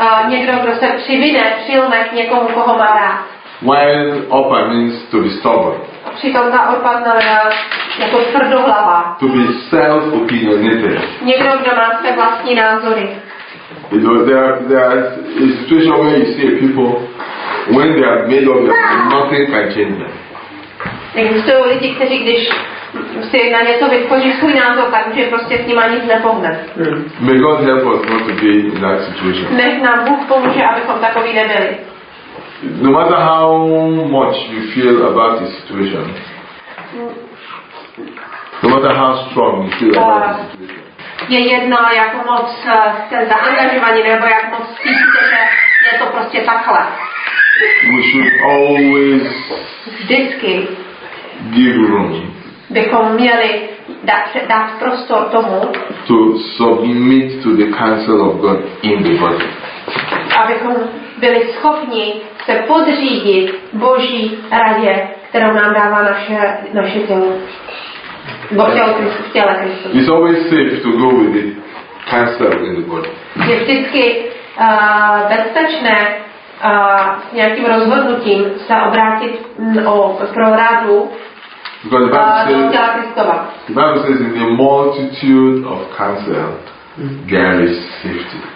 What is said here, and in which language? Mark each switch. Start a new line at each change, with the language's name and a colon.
Czech: Někdo, kdo se přilne k někomu, koho má rád.
English: While Orpa means to be stubborn.
Czech: Přitom ta Orpa znamená jako tvrdohlava.
English: To be self-opinionated.
Czech: Někdo, kdo má své vlastní názory.
English: You know, there's a situation where you see people when they are made up, nothing can change them.
Czech: Existují lidi, kteří když si na něco vytvoří svůj názor, tak už je prostě s nima nic nepohne.
English: May God help us not to be in that situation.
Czech: Nech nám Bůh pomůže, abychom takový nebyli.
English: No matter how much you feel about the situation, no matter how strong you feel about the situation,
Czech: je jedno, jak moc jste zaangažovaní, nebo jak moc cítíte, že je to prostě takhle.
English: We should always
Czech: vždycky
English: give room.
Czech: Bychom měli dát prostor tomu,
English: to submit to the counsel of God in the body.
Czech: Abychom byli schopni se podřídit Boží radě, kterou nám dává naše tělo.
English: It's always safe to go with the counsel in the body.
Czech: Je vždycky bezpečné s nějakým rozhodnutím se obrátit pro radu
English: Because the Bible says, the Bible says in the multitude of counsel there is safety.